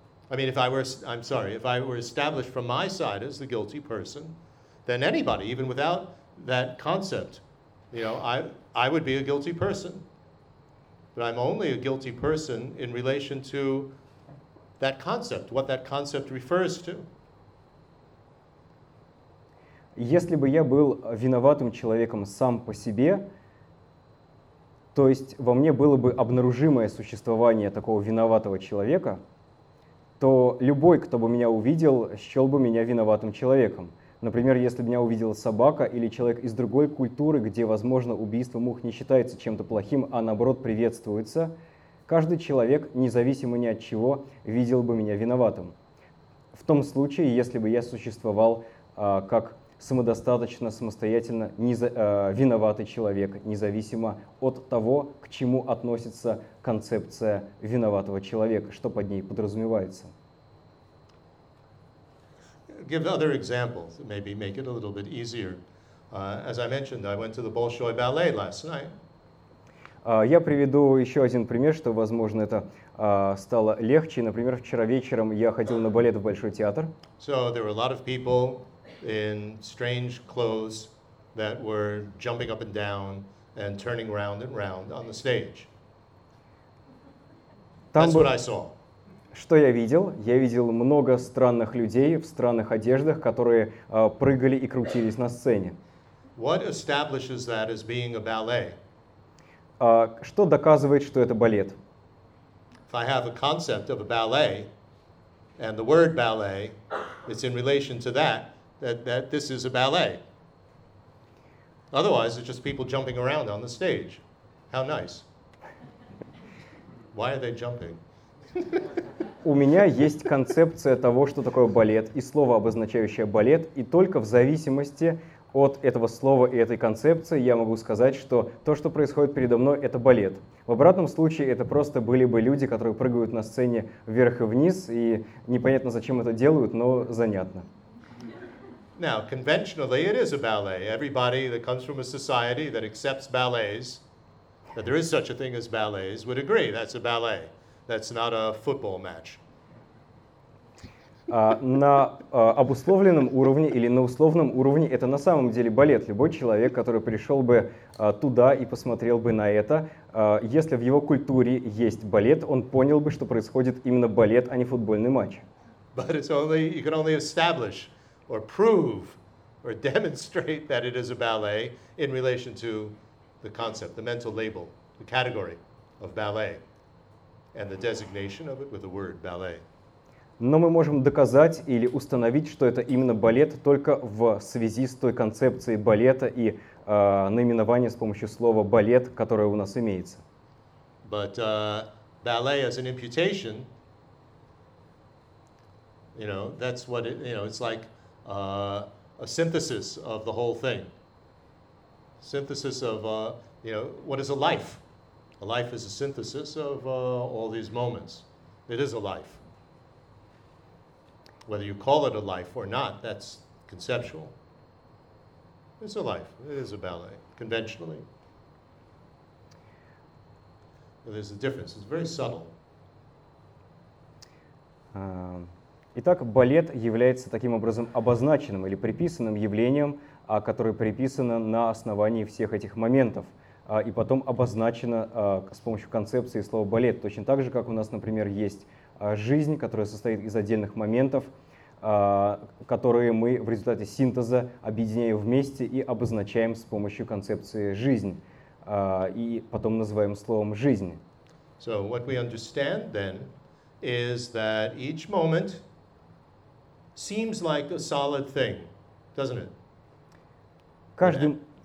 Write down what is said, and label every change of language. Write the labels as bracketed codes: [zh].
[en] I mean, if I were established from my side as the guilty person, then anybody, even without that concept, I would be a guilty person. But I'm only a guilty person in relation to that concept, what that concept refers to. [ru] Если бы я был виноватым человеком сам по себе, то есть во мне было бы обнаружимое существование такого виноватого человека, то любой, кто бы меня увидел, счел бы меня виноватым человеком. Например, если бы меня увидела собака или человек из другой культуры, где, возможно, убийство мух не считается чем-то плохим, а наоборот приветствуется, каждый человек, независимо ни от чего, видел бы меня виноватым. В том случае, если бы я существовал как самодостаточно, самостоятельно виноватый человек, независимо от того, к чему относится концепция виноватого человека, что под ней подразумевается. [en] Give other examples, maybe make it a little bit easier. As I mentioned, I went to the Bolshoi Ballet last night. [ru] Я приведу еще один пример, что, возможно, это стало легче. Например, вчера вечером я ходил на балет в Большой театр. [en] So there were a lot of people in strange clothes that were jumping up and down and turning round and round on the stage. That's what I saw. [ru] Что я видел? Я видел много странных людей в странных одеждах, которые прыгали и крутились на сцене. [en] What establishes that as being a ballet? [ru] Что доказывает, что это балет? [en] If I have a concept of a ballet, and the word ballet, it's in relation to that this is a ballet. Otherwise, it's just people jumping around on the stage. How nice. Why are they jumping? [ru] У меня есть концепция того, что такое балет, и слово, обозначающее балет, и только в зависимости от этого слова и этой концепции я могу сказать, что то, что происходит передо мной, это балет. В обратном случае это просто были бы люди, которые прыгают на сцене вверх и вниз, и непонятно, зачем это делают, но занятно. [en] Now, conventionally, it is a ballet. Everybody that comes from a society that accepts ballets, that there is such a thing as ballets, would agree that's a ballet. That's not a football match. [ru] Обусловленном уровне или на условном уровне это на самом деле балет. Любой человек, который пришел бы туда и посмотрел бы на это, если в его культуре есть балет, он понял бы, что происходит именно балет, а не футбольный матч. [en] But it's only, you can only establish or prove or demonstrate that it is a ballet in relation to the concept, the mental label, the category of ballet. And the designation of it with the word ballet. [ru] Но мы можем доказать или установить, что это именно балет, только в связи с той концепцией балета и наименование с помощью слова балет, которое у нас имеется. [en] But ballet as an imputation, that's what it, it's like a synthesis of the whole thing. Synthesis of, what is a life? A life is a synthesis of all these moments. It is a life. Whether you call it a life or not, that's conceptual. It's a life. It is a ballet, conventionally. But there's a difference. It's very subtle. [ru] Итак, балет является таким образом обозначенным или приписанным явлением, которое приписано на основании всех этих моментов. И потом обозначено с помощью концепции слова «балет». Точно так же, как у нас, например, есть жизнь, которая состоит из отдельных моментов, которые мы в результате синтеза объединяем вместе и обозначаем с помощью концепции «жизнь». И потом называем словом «жизнь». [en] So what we understand then is that each moment seems like a solid thing, doesn't it?